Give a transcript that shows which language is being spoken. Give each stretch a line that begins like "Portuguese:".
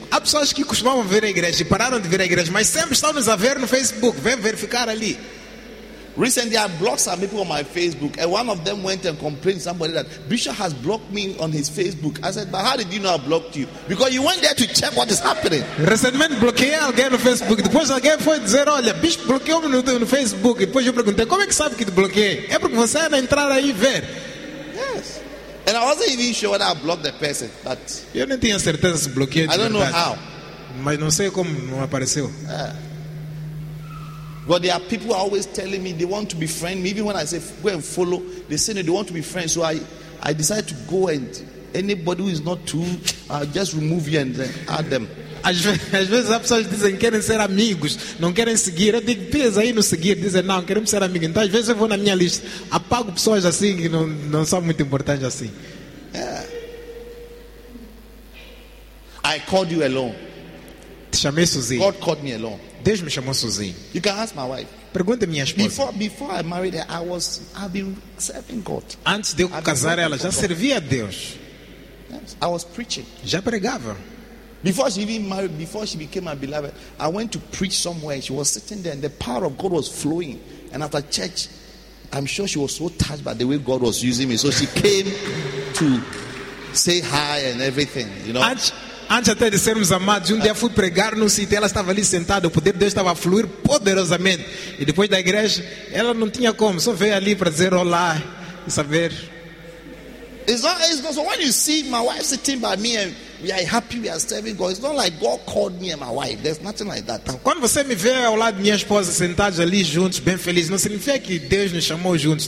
Portuguese: Há pessoas que costumavam vir à igreja e pararam de vir à igreja, mas sempre estão nos a ver no Facebook, vem verificar ali.
English: Recently, I blocked some people on my Facebook, and one of them went and complained to somebody that Bishop has blocked me on his Facebook. I said, but how did you know I blocked you? Because you went there to check what is happening.
Portuguese: Recentemente bloqueei alguém no Facebook. Depois alguém foi dizer, olha, Bishop bloqueou-me no Facebook. Depois eu perguntei, como é que sabe que te bloqueei? É porque você anda a entrar aí ver.
English: Yes. And I wasn't even sure whether I blocked the person, but
Portuguese: eu não tinha certeza se bloqueei.
English: I don't know how.
Portuguese: Mas não sei como não apareceu.
English: But there are people always telling me they want to befriend me. Even when I say go and follow, they say they want to be friends. So I decide to go, and anybody who is not too, just remove you and then add them.
Portuguese: Às vezes as pessoas dizem querem ser amigos, não querem seguir. Eu digo, pensa aí no seguir. Dizem, não, queremos ser amigos. Então às vezes eu vou na minha lista, apago pessoas assim que não são muito importantes assim.
English: I called you alone.
Portuguese: Te chamei sozinho.
English: God called me alone.
Portuguese: Deus me chamou sozinho.
English: You can ask my wife.
Portuguese: Pergunte à minha esposa.
English: Before I married her, I've been serving God.
Portuguese: Antes de eu casar ela, já servia a Deus.
English: Yes, I was preaching.
Portuguese: Já pregava.
English: Before she even married, before she became my beloved, I went to preach somewhere. She was sitting there, and the power of God was flowing. And after church, I'm sure she was so touched by the way God was using me. So she came to say hi and everything, you know.
Portuguese: Antes até de sermos amados, um dia fui pregar no sítio, ela estava ali sentada, o poder de Deus estava a fluir poderosamente. E depois da igreja, ela não tinha como, só veio ali para dizer olá e saber.
English: It's not, so when you see my wife sitting by me and we are happy, we are serving God, it's not like God called me and my wife. There's nothing like that.
Portuguese: Quando você me vê ao lado de minha esposa sentados ali juntos, bem feliz, não significa que Deus nos chamou juntos.